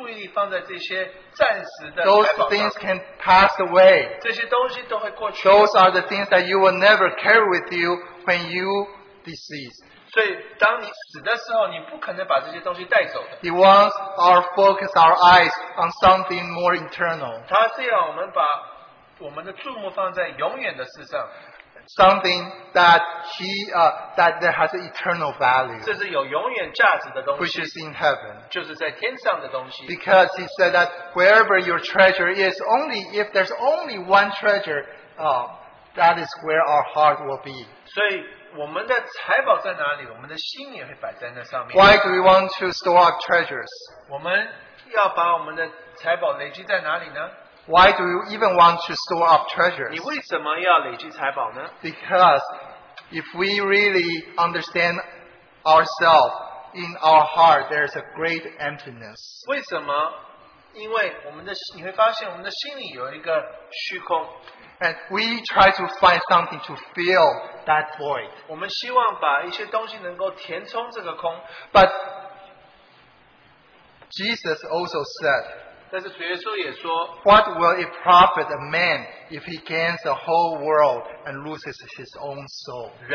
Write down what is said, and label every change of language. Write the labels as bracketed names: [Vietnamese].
[Chinese] 所以他不要我们把我们的注意力放在这些暂时的财宝上。 [English] Those things can pass away. [Chinese] 这些东西都会过去。 [English] Those are the things that you will never carry with you when you deceased. [Chinese] 所以当你死的时候，你不可能把这些东西带走的。 [English] He wants our focus, our eyes on something more internal. [Chinese] 他是要我们把我们的注目放在永远的事上。 [English] Something that that has eternal value, which is in heaven. Because he said that wherever your treasure is, only if there's only one treasure, that is where our heart will be. Why do we want to store up treasures? Why do you even want to store up treasures? Because If we really understand ourselves, in our heart, there is a great emptiness. [Chinese] 为什么？因为你会发现我们的心里有一个虚空。 [English] And we try to find something to fill that void. But Jesus also said, [Chinese] 但是主耶稣也说, [English] what will it profit a man if he gains the whole world and loses his own soul?